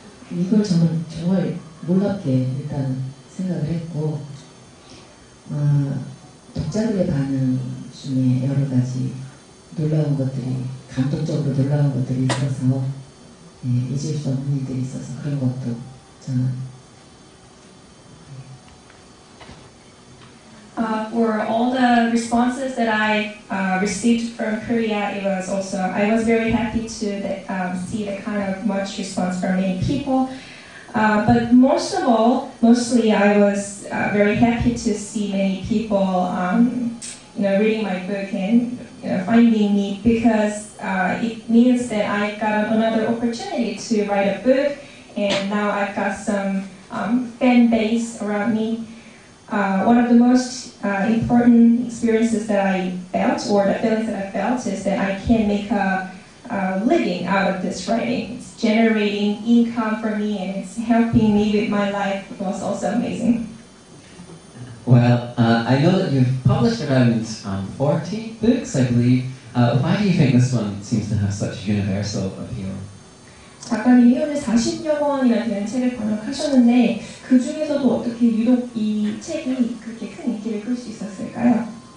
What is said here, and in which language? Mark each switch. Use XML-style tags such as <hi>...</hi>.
<ko>이걸 저는 정말 놀랍게 일단 생각을 했고 독자들의 반응 중에 여러 가지 놀라운 것들이 감동적으로 놀라운 것들이 있어서 잊을 수 없는 일들이 있어서 그런 것도 저는</ko> <en>For all the responses that I received from Korea, it was also, I was very happy to see the kind of much response from many people. But most of all, mostly I was very happy to see many people reading my book and finding me because it means that I got another opportunity to write a book and now I've got some fan base around me. One of the most important experiences that I felt, or the feelings that I felt, is that I can make a living out of this writing. It's generating income for me, and it's helping me with my life. It was also amazing. Well, I know that you've published around 40 books, I believe. Why do you think this one seems to have such universal appeal?</en> <ko>작가님 1년에 40여 권이나 되는 책을 번역하셨는데 그 중에서도 어떻게 유독 이 책이 그렇게 큰 인기를 끌 수 있었을까요?</ko>